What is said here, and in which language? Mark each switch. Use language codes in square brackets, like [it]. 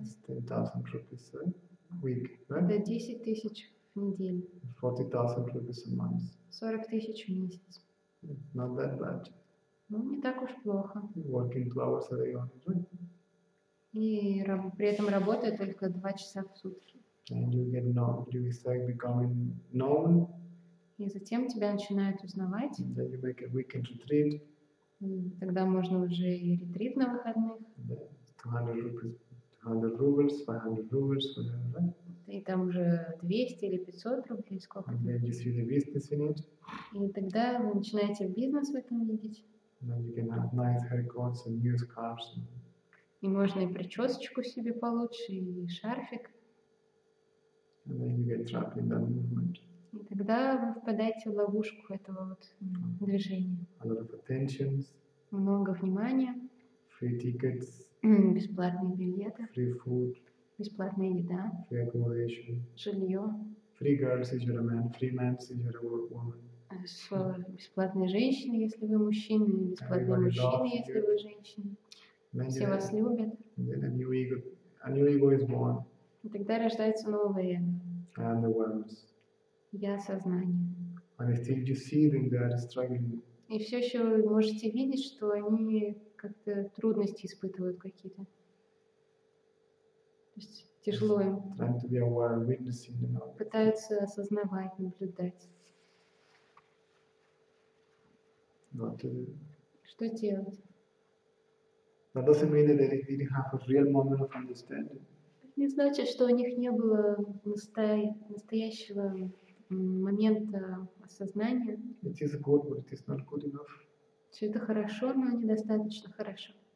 [en] 10,000 rupees a week, right? [ru] Это 10,000 в неделю. [en] 40,000 rupees a month. [ru] 40,000 в месяц. [en] Not that bad. [ru] Ну, не так уж плохо. [en] Working 12 hours a day on it, right? [ru] И при этом работаю только 2 часа в сутки. [en] And you get known, you start becoming known. [ru] И затем тебя начинают узнавать. [en] And then you make a weekend retreat. [ru] Тогда можно уже и ретрит на выходных. [en] 200 rubles, 500 rubles, whatever, right? [ru] И там уже 200 или 500 рублей, сколько. [en] And then you see the business in it. [ru] И тогда вы начинаете бизнес в этом видеть. [en] And then you can have nice haircuts and new scarves. [ru] И можно и причесочку себе получше, и шарфик. [en] And then you get trapped in that movement. [ru] И тогда вы впадаете в ловушку этого вот движения. [en] A lot of attention. [ru] Много внимания. [en] Free tickets. [ru] Бесплатные билеты. [en] Free food. [ru] Бесплатная еда. [en] Free accommodation. [ru] Жилье. [en] Free girls if you're a man. Free men if you're a woman. [ru] Бесплатные женщины, если вы мужчина. Бесплатные мужчины, если вы женщина. Все вас любят. [en] Then a new ego is born. [ru] И тогда рождается новое. [en] And awareness. [ru] Я сознание. [en] And still you see them, they are struggling. [ru] И все еще вы можете видеть, что они как-то трудности испытывают какие-то. То есть тяжело им. [en] Trying to be aware, witnessing them. [ru] Пытаются осознавать, наблюдать. [en] What to do? [ru] Что делать? [en] That doesn't mean that they didn't have a real moment of understanding. [ru] Это не значит, что у них не было настоящего момента осознания. [en] It is good, but it is not good enough. [ru] Все это хорошо, но недостаточно хорошо.